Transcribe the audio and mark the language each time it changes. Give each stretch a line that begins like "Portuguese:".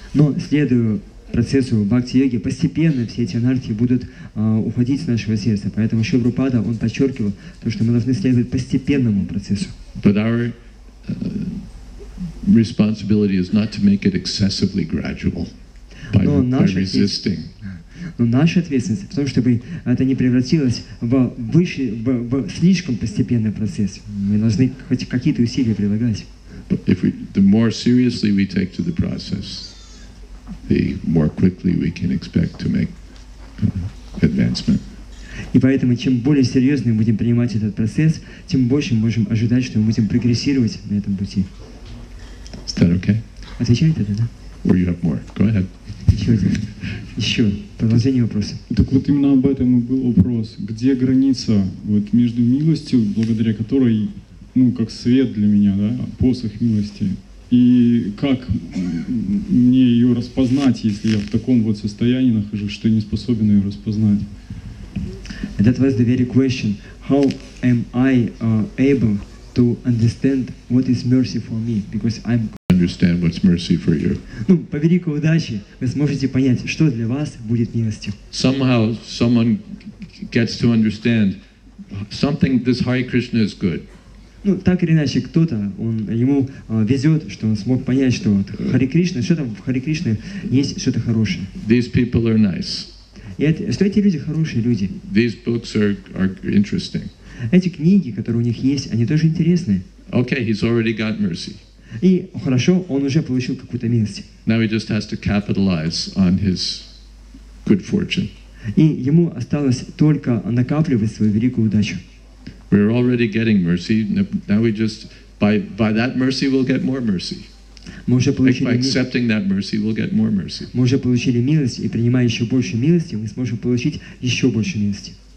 Russian: Но следую процессу бхакти-йоги, постепенно все эти анархи будут уходить с нашего сердца. Поэтому Шрила Прабхупада, он подчеркивал то, что мы должны следовать постепенному процессу.
English: But our responsibility is not to make it excessively gradual by resisting.
Russian: Но наша ответственность в том, чтобы это не превратилось в слишком постепенный процесс. Мы должны хоть какие-то усилия прилагать.
English: If the more seriously we take to the process, the more quickly we can expect to make advancement.
Russian: И поэтому, чем более серьезно мы будем принимать этот процесс, тем больше мы можем ожидать, что мы будем прогрессировать на этом пути.
English: Is that okay?
Russian: Отвечает это, да?
English: Or you have more? Go ahead.
Russian: Еще продолжение вопроса. Так вот именно об этом и был вопрос. Где граница вот между милостью, благодаря которой, ну, как свет для меня, да, посох милости, и как мне ее распознать, если я в таком вот состоянии нахожусь, что я не способен ее распознать?
English: That was the very question. How am I able to understand what is mercy for me? Because I'm understand what's mercy for you.
Russian: Ну, по великой удаче, вы сможете понять, что для вас будет милостью.
English: Somehow someone gets to understand something. This Hare Krishna is good.
Russian: Ну, так или иначе, кто-то, он ему везет, что он смог понять, что вот Хари Кришна, что там в Хари Кришне есть что-то хорошее.
English: These people are nice.
Russian: И это, что эти люди хорошие люди.
English: These books are interesting.
Russian: Эти книги, которые у них есть, они тоже интересные.
English: Okay, he's already got mercy.
Russian: И хорошо, он уже получил какую-то милость.
English: Now he just has to capitalize on his good fortune.
Russian: И ему осталось только накапливать свою великую удачу.
English: We're already getting mercy. Now we just by that mercy we'll get more mercy.
Russian: Мы уже получили
English: by accepting that mercy we'll get more mercy.
Russian: Мы уже получили милость и принимая еще больше милости, мы сможем получить еще больше милости.